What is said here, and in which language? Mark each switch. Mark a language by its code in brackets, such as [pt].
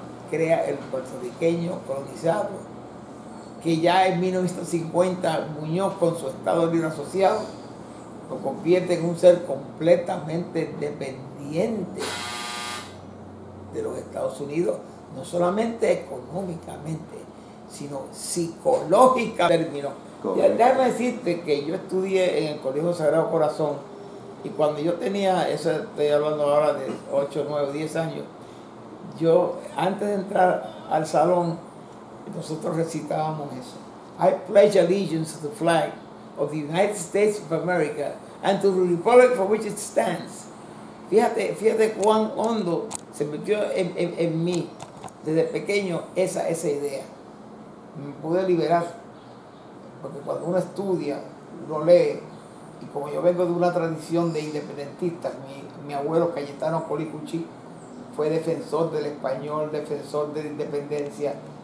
[es] Crea el puertorriqueño colonizado, que ya en 1950 Muñoz, con su Estado Libre Asociado, lo convierte en un ser completamente dependiente de los Estados Unidos, no solamente económicamente, sino psicológica. Término. Y déjame decirte que yo estudié en el Colegio Sagrado Corazón, y cuando yo tenía, eso estoy hablando ahora de 8, 9, 10 años, yo antes de entrar al salón, nosotros recitábamos eso. [en] I pledge allegiance to the flag of the United States of America and to the republic for which it stands. [es] Fíjate cuán hondo se metió en mí desde pequeño esa idea. Me pude liberar, porque cuando uno estudia, uno lee, y como yo vengo de una tradición de independentistas, mi abuelo Cayetano Colicuchí fue defensor del español, defensor de la independencia,